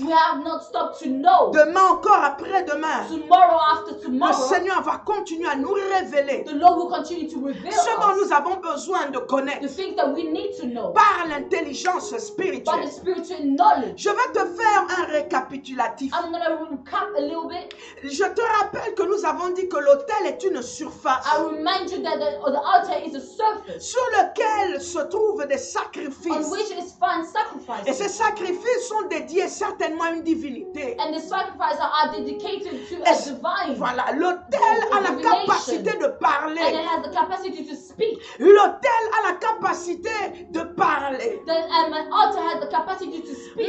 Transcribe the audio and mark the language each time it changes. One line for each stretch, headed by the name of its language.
English: We have not stopped to know.
French: Demain encore, après-demain,
English: tomorrow after tomorrow,
French: le Seigneur va continuer à nous révéler.
English: The Lord will continue to reveal
French: ce dont nous avons besoin de connaître.
English: The things that we need to know.
French: Par l'intelligence spirituelle.
English: By the spiritual knowledge.
French: Je vais te faire un récapitulatif.
English: I'm gonna recap a little bit.
French: Je te rappelle que nous avons dit que l'autel est une surface.
English: I remind you that the altar is a surface.
French: Sur lequel se trouvent des sacrifices.
English: On which is found sacrifices.
French: Et ces sacrifices sont dédiés certainement à une divinité.
English: And the sacrifices are dedicated to a divine.
French: Voilà, l'autel a la capacité de parler.
English: And it has the capacity to speak.
French: L'autel a la capacité de parler.
English: The altar has the capacity to speak.